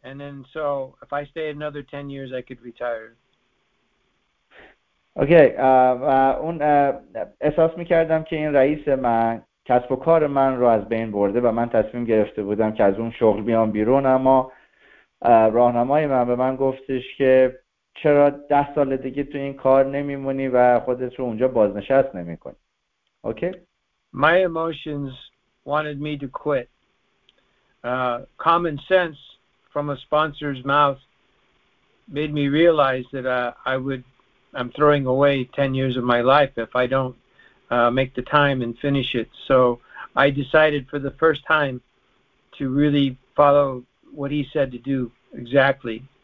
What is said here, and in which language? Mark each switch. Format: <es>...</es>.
<en>And then so if I stayed another 10 years, I could retire. Okay.</en> <fa>و اون احساس میکردم که این رئیس من کسب و کار من رو از بین برده و من تصمیم گرفته بودم که از اون شغل بیام بیرون، اما راهنمای من به من گفتش که چرا 10 سال دیگه تو این کار نمیمونی و خودت رو اونجا بازنشست نمیکنی. اوکی.</fa> <en>My emotions wanted me to quit. Common sense from a sponsor's mouth made me realize that I'm throwing away 10 years of my life if I don't make the time and finish it. So I decided for the first time to really follow what he said to do exactly.</en>